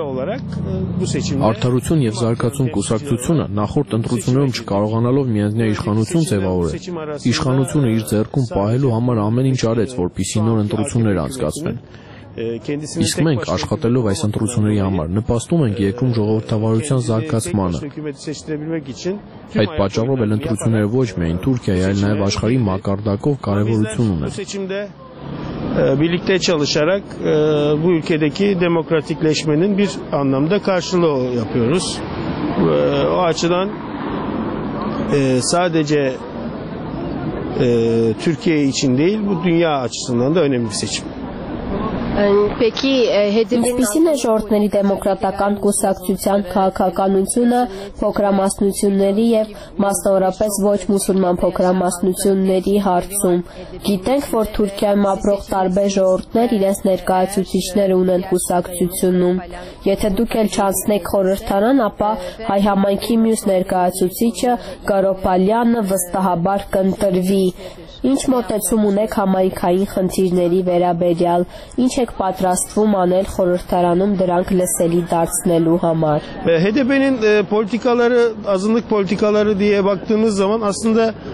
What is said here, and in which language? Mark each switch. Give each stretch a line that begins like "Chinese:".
Armenian: Արդարություն և զարգացում կուսակցությունը նախորդ ընտրություններում չկարողանալով միանձնյա իշխանություն ձևավորել, իշխանությունը իր ձեռքում պահելու համար ամեն ինչ արեց, որպեսզի նոր ընտրություններ անցկացվեն։ Իսկ մենք, աշխատելով այս ընտրությունների համար, նպաստում ենք երկրում ժողովրդավարության զարգացմանը։ Այդ պատճառով էլ ընտրությունները ոչ միայն Թուրքիայի, այլ նաև աշխարհի մակարդակով կարևորություն ունեն։
Turkish: Birlikte çalışarak bu ülkedeki demokratikleşmenin bir anlamda karşılığı yapıyoruz. O açıdan sadece Türkiye için değil, bu dünya açısından da önemli bir seçim.
Armenian: Peki, ինչպիսին է ժողովրդների դեմոկրատական կուսակցության քաղաքականությունը փոքրամասնությունների և մասնավորապես ոչ մուսուլման փոքրամասնությունների հարցում։ Գիտենք, որ Թուրքիայում ապրող տարբեր ժողովուրդներ իրենց ներկայացուցիչները ունեն կուսակցությունում։ Եթե դուք էլ չանցնեք խորհրդարան, ապա հայ համայնքի մյուս ներկայացուցիչը Կարոպալյանը վստահաբար կընտրվի։ Ինչ մոտեցում ունեք համայնքային խնդիրների վերաբերյալ, ինչ եք պատրաստվում անել խորհրդարանում դրանք լսելի դարձնելու համար։
Turkish: HDP-ն politikaları, azınlık politikaları diye baktığınız zaman aslında